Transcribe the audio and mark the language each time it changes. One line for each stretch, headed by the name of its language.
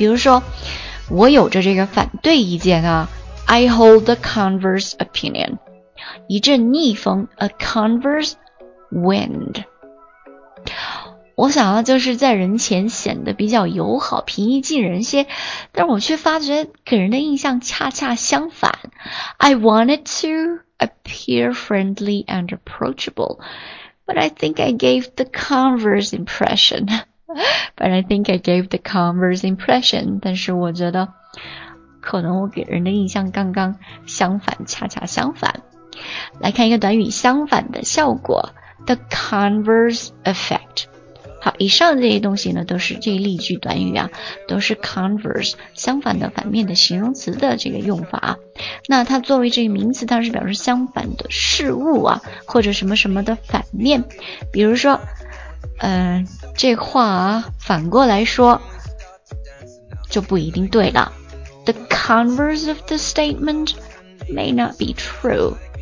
Chinese: 比如说我有着这个反对意见啊，
English: I hold the converse opinion.
Chinese: 一阵逆风，
English: a converse wind.
Chinese: 我想要就是在人前显得比较友好平易近人些，但我却发觉给人的印象恰恰相反。
English: I wanted to appear friendly and approachable, but I think I gave the converse impression. But I think I gave the converse impression.
Chinese: 但是我觉得可能我给人的印象刚刚相反，恰恰相反。来看一个短语，相反的效果，
English: The converse effect。
Chinese: 好，以上这些东西呢，都是这一例句短语啊，都是 converse 相反的、反面的形容词的这个用法啊。那它作为这个名词，它是表示相反的事物啊，或者什么什么的反面。比如说，这话啊，反过来说就不一定对了。
English: The converse of the statement may not be true.